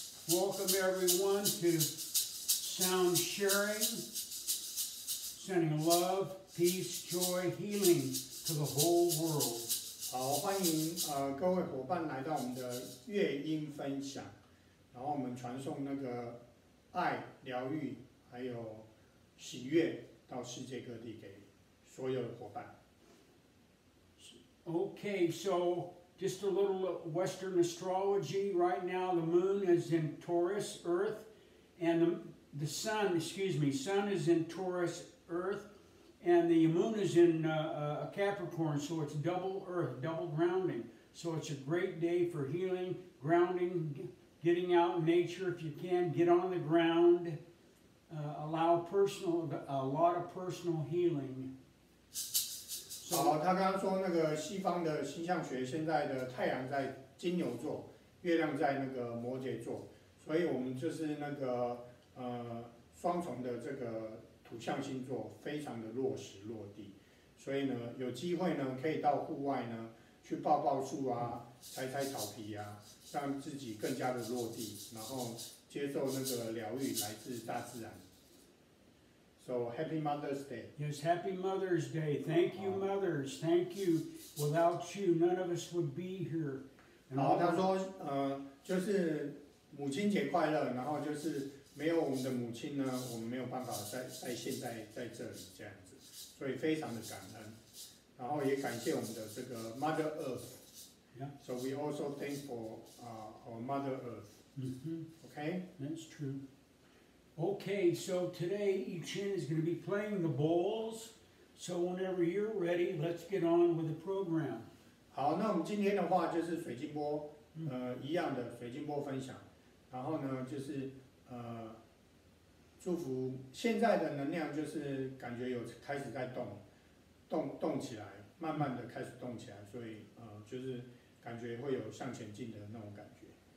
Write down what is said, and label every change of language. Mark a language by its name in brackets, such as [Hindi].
[English] Welcome everyone to Sound Sharing, sending love, peace, joy, healing to the whole world. [Chinese] 好，欢迎各位伙伴来到我们的乐音分享，然后我们传送那个爱、疗愈还有喜悦到世界各地给所有的伙伴。 [English] Okay, so just a little Western astrology. Right now, the moon is in Taurus, Earth, and the sun is in Taurus, Earth, and the moon is in Capricorn, so it's double Earth, double grounding. So it's a great day for healing, grounding, getting out in nature if you can, get on the ground, allow a lot of personal healing. [Chinese] 好，他刚刚说那个西方的星象学，现在的太阳在金牛座，月亮在那个摩羯座，所以我们就是那个双重的这个土象星座非常的落实落地，所以呢有机会呢可以到户外呢去抱抱树啊，踩踩草皮啊，让自己更加的落地，然后接受那个疗愈来自大自然。 [English] So, Happy Mother's Day. Yes, Happy Mother's Day. Thank you, mothers. Thank you. Without you, none of us would be here. [Chinese] 然后他说，就是母亲节快乐。然后就是没有我们的母亲呢，我们没有办法在现在在这里这样子。所以非常的感恩。然后也感谢我们的这个 Mother Earth. [English] Yeah. So we also thank for our Mother Earth. Mm-hmm. Okay. That's true. Okay, so today Yi Chin is going to be playing the bowls. So whenever you're ready, let's get on with the program. [Chinese] 好，那我们今天的话就是水晶波，一样的水晶波分享。然后呢，就是祝福现在的能量，就是感觉有开始在动起来，慢慢的开始动起来，所以就是感觉会有向前进的那种感觉。